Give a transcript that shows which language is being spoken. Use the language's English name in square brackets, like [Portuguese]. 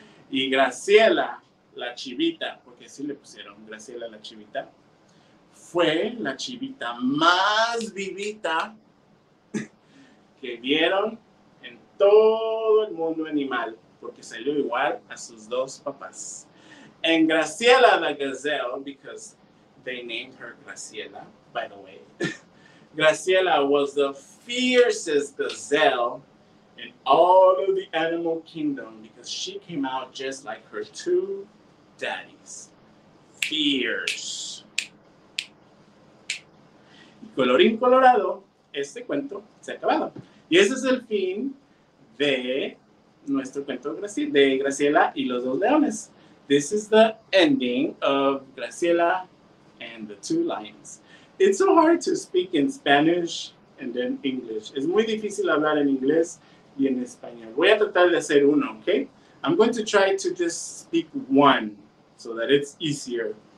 [Spanish] Y Graciela, la chivita, porque así le pusieron Graciela la chivita, fue la chivita más vivita que vieron en todo el mundo animal, porque salió igual a sus dos papás. [English] And Graciela the gazelle, because they named her Graciela, by the way, Graciela was the fiercest gazelle in all of the animal kingdom, because she came out just like her two daddies. Fierce. [Spanish] Y colorín colorado, este cuento se ha acabado. Y ese es el fin de nuestro cuento de Graciela y los dos leones. [English] This is the ending of Graciela and the two lions. It's so hard to speak in Spanish and then English. [Spanish] Es muy difícil hablar en inglés y en español. Voy a tratar de hacer uno, okay? [English] I'm going to try to just speak one so that it's easier.